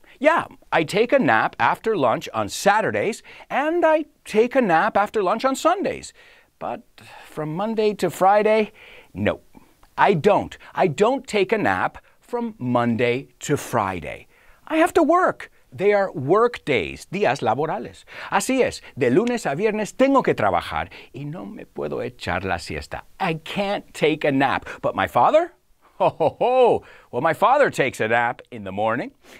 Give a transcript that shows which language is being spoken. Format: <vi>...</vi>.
<en>Yeah, I take a nap after lunch on Saturdays, and I take a nap after lunch on Sundays. But from Monday to Friday, no. I don't. I don't take a nap from Monday to Friday. I have to work. They are work days,</en> <es>días laborales. Así es, de lunes a viernes tengo que trabajar y no me puedo echar la siesta.</es> <en>I can't take a nap. But my father? Ho, ho, ho. Well, my father takes a nap in the morning.</en>